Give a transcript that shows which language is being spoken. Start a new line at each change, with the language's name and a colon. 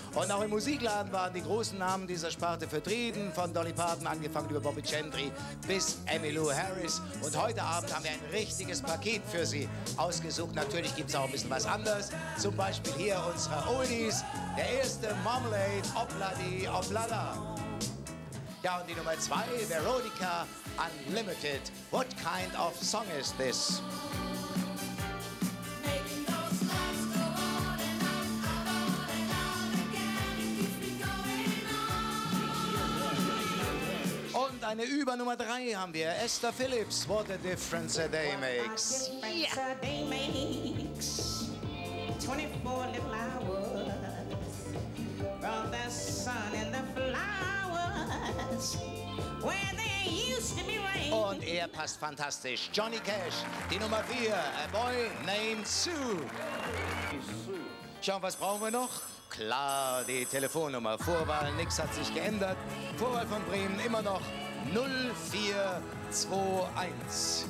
German: Und auch im Musikladen waren die großen Namen dieser Sparte vertreten, von Dolly Parton angefangen über Bobby Gentry bis Emmylou Harris. Und heute Abend haben wir ein richtiges Paket für Sie ausgesucht. Natürlich gibt es auch ein bisschen was anderes. Zum Beispiel hier unsere Oldies, der erste Marmalade, Obladi Oblada. Ja, und die Nummer zwei, Veronica Unlimited.
English: What kind of song is this?
German: Und eine Über Nummer drei haben wir, Esther Phillips, What a Difference a Day Makes.
English: What a difference a day makes. 24 little hours from the sun and the flowers. Where they used to be rain.
German: Und er passt fantastisch. Johnny Cash, die Nummer vier, A Boy Named Sue. Schauen, was brauchen wir noch? Klar, die Telefonnummer. Vorwahl, nichts hat sich geändert. Vorwahl von Bremen immer noch 0421.